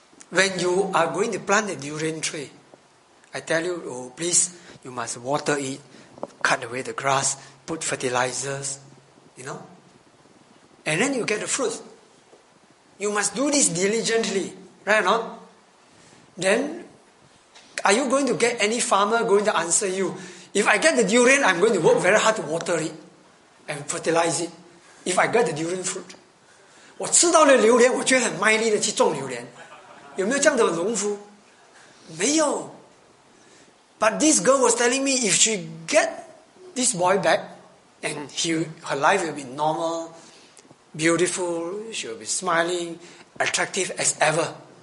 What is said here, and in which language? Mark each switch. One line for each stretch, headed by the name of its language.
English: When you are going to plant a durian tree, I tell you, oh please, you must water it, cut away the grass, put fertilizers, you know, and then you get the fruit. You must do this diligently, right or not? Then. Are you going to get any farmer going to answer you? If I get the durian, I'm going to work very hard to water it and fertilize it. If I get the durian fruit.
Chinese: 我吃到了榴莲, 我就很卖力地去种榴莲。有没有这样的农夫?没有。
English: But this girl was telling me, if she get this boy back, and her life will be normal, beautiful, she will be smiling, attractive as ever.